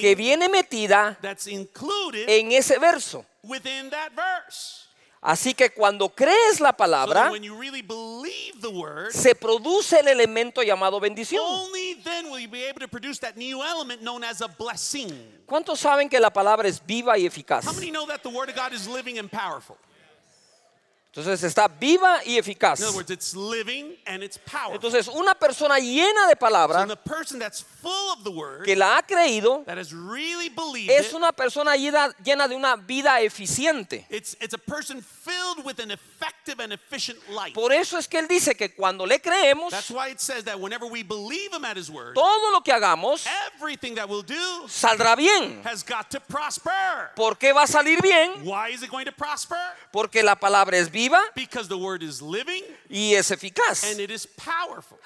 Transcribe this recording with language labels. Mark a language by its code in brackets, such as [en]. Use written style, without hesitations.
[es] que viene metida, [en] that's included, [es] en ese verso, [en] within that verse. [es] Así que cuando crees la palabra, [en] so when you really believe the word, [es] se produce el elemento llamado bendición. [en] Only then will you be able to produce that new element known as a blessing. [es] ¿Cuántos saben que la palabra es viva y eficaz? [en] How many know that the word of God is living and powerful? [es] Entonces está viva y eficaz. [en] In other words, it's living and it's powerful. [es] Entonces una persona llena de palabra, [en] so the person that's full of the word, [es] que la ha creído, [en] that has really believed, [es] es una persona llena de una vida eficiente. [en] It's a person filled with an effective and efficient life. [es] Por eso es que él dice que cuando le creemos, [en] that's why it says that whenever we believe him at his word, [es] todo lo que hagamos, [en] everything that we'll do, [es] saldrá bien. [en] Has got to prosper. [es] ¿Por qué va a salir bien? [en] Why is it going to prosper? [es] Porque la palabra es viva, [en] because the word is living, [es] y es eficaz. [en] And it is powerful.